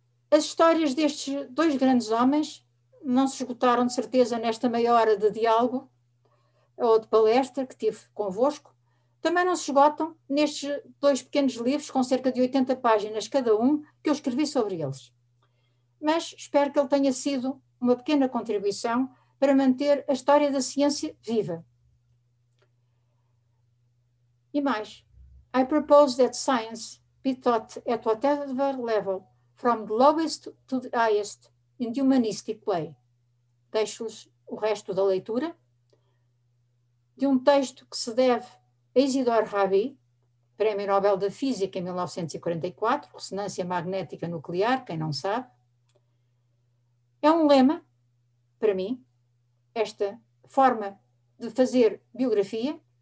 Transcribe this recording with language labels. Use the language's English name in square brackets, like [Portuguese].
[Portuguese] As histórias destes dois grandes homens não se esgotaram de certeza nesta meia hora de diálogo ou de palestra que tive convosco. Também não se esgotam nestes dois pequenos livros, com cerca de 80 páginas cada um, que eu escrevi sobre eles. mas espero que ele tenha sido uma pequena contribuição para manter a história da ciência viva. E mais, [English] I propose that science be taught at whatever level, from the lowest to the highest, in the humanistic way. [Portuguese] Deixo-vos o resto da leitura de um texto que se deve a Isidore Rabi, Prémio Nobel da Física em 1944, ressonância magnética nuclear, quem não sabe. É um lema, para mim, esta forma de fazer biografia.